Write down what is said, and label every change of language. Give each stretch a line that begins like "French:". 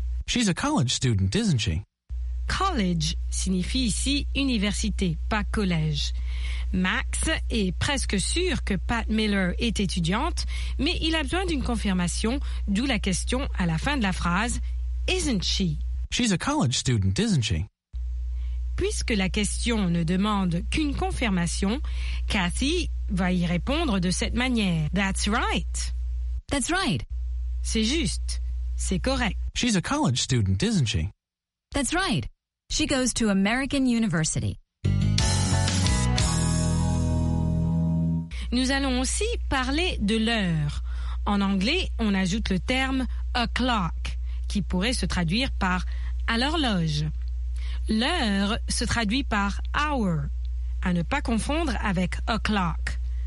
English: She's a college student, isn't she?
French: College signifie ici université, pas collège. Max est presque sûr que Pat Miller est étudiante, mais il a besoin d'une confirmation, d'où la question à la fin de la phrase,
English: isn't she? She's a college student, isn't she?
French: Puisque la question ne demande qu'une confirmation, Kathy va y répondre de cette manière.
English: That's right. That's right.
French: C'est juste. C'est correct.
English: She's a college student, isn't she? That's right. She goes to American University.
French: Nous allons aussi parler de l'heure. En anglais, on ajoute le terme a clock, qui pourrait se traduire par à l'horloge. L'heure se traduit par hour, à ne pas confondre avec a clock.